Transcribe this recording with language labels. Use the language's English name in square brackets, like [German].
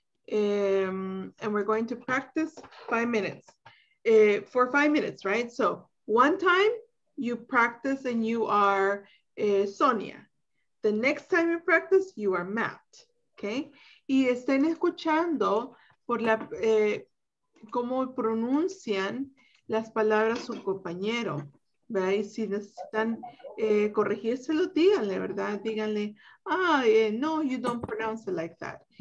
[English] And we're going to practice 5 minutes. For 5 minutes, right? So one time you practice and you are Sonia. The next time you practice, you are Matt, okay? [Spanish] Y estén escuchando por la cómo pronuncian las palabras su compañero, ¿verdad? Y si necesitan corregírselo, díganle, ¿verdad? Díganle, [English] no, you don't pronounce it like that.